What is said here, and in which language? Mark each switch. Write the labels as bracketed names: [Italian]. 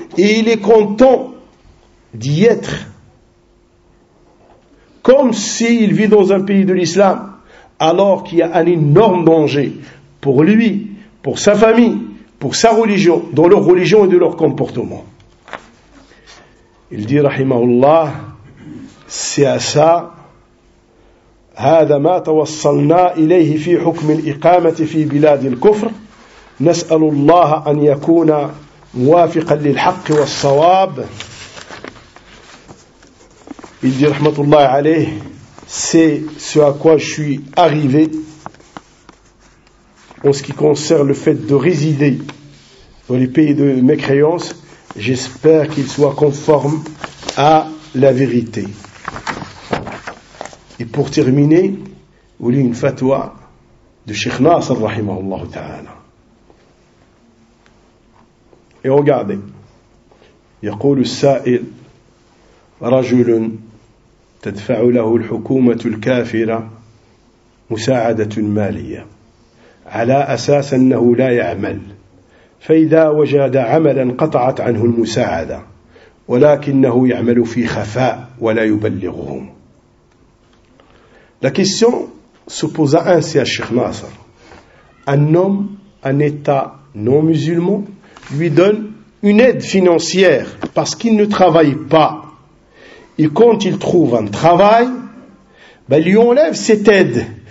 [French] Et il est content d'y être. Comme s'il vit dans un pays de l'islam. Alors qu'il y a un énorme danger pour lui, pour sa famille, pour sa religion, dans leur religion et de leur comportement. Il dit, rahimahullah, c'est à ça, [Arabic] هذا ما توصلنا إليه في حكم الإقامة في بلاد الكفر نسأل الله أن يكون موافقا للحق والصواب. [French] Il dit, rahmatullah عليه, c'est ce à quoi je suis arrivé en ce qui concerne le fait de résider dans les pays de mécréance. J'espère qu'il soit conforme à la vérité. Et pour terminer, vous lisez une fatwa de Cheikh Nasser, rahimahullah ta'ala. Et regardez. [Arabic] يقول السائل رجل تدفع له الحكومة الكافرة مساعدة مالية على أساس أنه لا يعمل فإذا وجد عملا قطعت عنه المساعدة ولكنه يعمل في خفاء ولا يبلغهم. [French] La question se posa ainsi à Cheikh Nasser. Un homme, un état non musulman, lui donne une aide financière parce qu'il ne travaille pas. Et quand il trouve un travail, ben lui enlève cette aide.